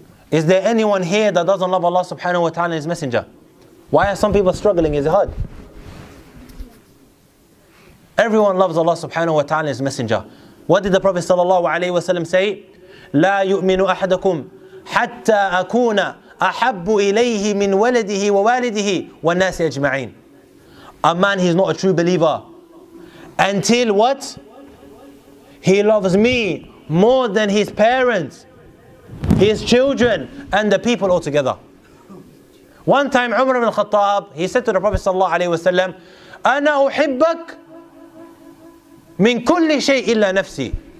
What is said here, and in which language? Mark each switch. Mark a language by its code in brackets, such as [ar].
[en] Is there anyone here that doesn't love Allah subhanahu wa ta'ala and His Messenger? Why are some people struggling? Is it hard? Everyone loves Allah subhanahu wa ta'ala and His Messenger. What did the Prophet sallallahu alayhi wa sallam say? [ar] لا يؤمن أحدكم حتى أكون أحب إليه من ولده ووالده والناس أجمعين. [en] A man, he's not a true believer until what? He loves me more than his parents, his children, and the people altogether. One time, Umar ibn al-Khattab, he said to the Prophet sallallahu alayhi wa sallam, [ar] أَنَا أُحِبَّكْ مِنْ كُلِّ شَيْءٍ إِلَّا نَفْسِي.